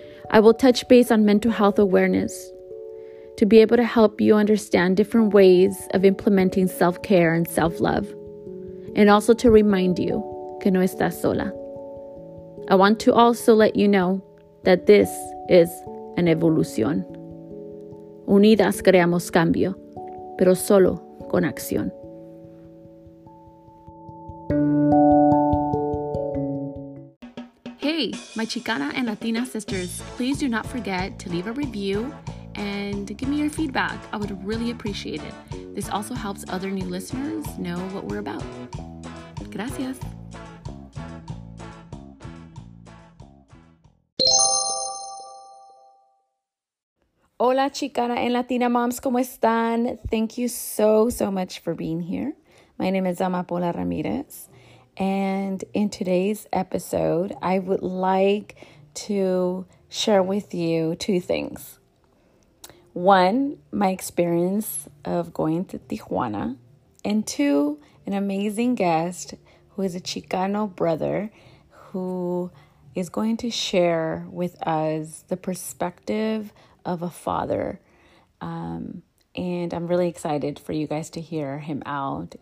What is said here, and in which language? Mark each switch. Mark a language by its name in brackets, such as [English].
[English] I will touch base on mental health awareness to be able to help you understand different ways of implementing self-care and self-love, and also to remind you [Spanish] que no estás sola. [English] I want to also let you know that this is an evolución. [Spanish] Unidas creamos cambio, pero solo con acción. [English] Hey, my Chicana and Latina sisters, please do not forget to leave a review and give me your feedback. I would really appreciate it. This also helps other new listeners know what we're about. [Spanish] Gracias. Hola, [English] Chicana and Latina moms, [Spanish] ¿cómo están? [English] Thank you so, so much for being here. My name is Amapola Ramirez, and in today's episode, I would like to share with you two things. One, my experience of going to Tijuana, and two, an amazing guest who is a Chicano brother who is going to share with us the perspective of a father, and I'm really excited for you guys to hear him out.